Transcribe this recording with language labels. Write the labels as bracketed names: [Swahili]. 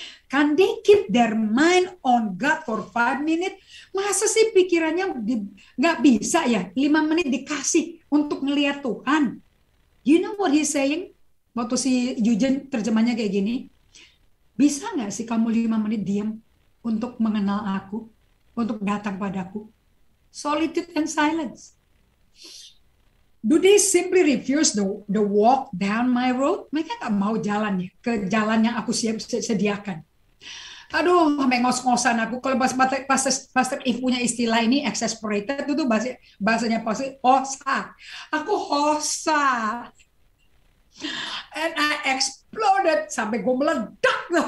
[English] Can they keep their mind on God for 5 minutes? [Indonesian] Masa sih pikirannya gak bisa ya, 5 menit dikasih untuk ngelihat Tuhan. [English] You know what he's saying? [Indonesian] Waktu si Eugene terjemahnya kayak gini, bisa gak sih kamu 5 menit diam untuk mengenal aku, untuk datang padaku? [English] Solitude and silence. Do they simply refuse the walk down my road? [Indonesian] Mereka gak mau jalan ya, ke jalan yang aku sediakan. Aduh, mengos-ngosan aku. Kalau Pastor If punya istilah ini, exasperated, itu bahasanya pasti hosa. Aku hosa. [English] And I exploded [Indonesian] sampai gue meledak.